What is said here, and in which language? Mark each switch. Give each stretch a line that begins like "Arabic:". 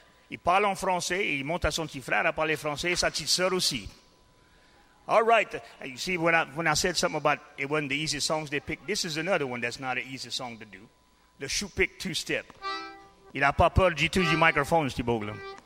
French: Il parle en français, il monte à son petit frère à parler français, sa petite sœur aussi.
English: All right, you see, when I said something about it wasn't the easiest songs they picked, this is another one that's not an easy song to do. The Shoe Pick Two-Step.
French: Il a pas peur, j'ai tous les microphones, Steve Boglum.